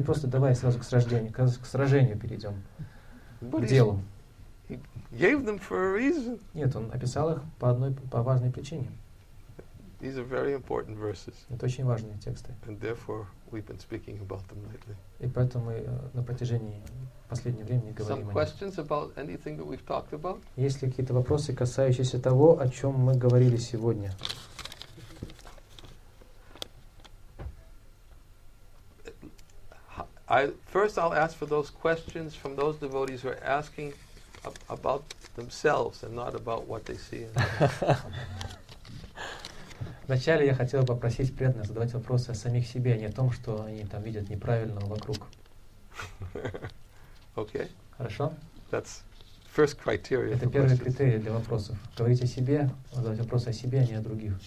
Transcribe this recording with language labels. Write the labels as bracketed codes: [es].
[ru] Просто давай сразу к сражению перейдем. К делу. [en] He gave them for a reason. [ru] Нет, он описал их по одной, по важной причине. [en] These are very important verses. [ru] Это очень важные тексты. [en] And therefore we've been speaking about them lately. [ru] И поэтому мы на протяжении последнего времени говорим о них. [en] Some questions about anything that we've talked about? [ru] Есть ли какие-то вопросы, касающиеся того, о чем мы говорили сегодня? [en] First, I'll ask for those questions from those devotees who are asking about themselves and not about what they see. [ru] Вначале я хотел попросить преданных задавать вопросы о самих себе, а не о том, что они там видят неправильного вокруг. [en] Okay. [ru] Хорошо. [en] That's first criteria. [ru] Это первый критерий для вопросов. Говорить о себе, задавать вопросы о себе, а не о других.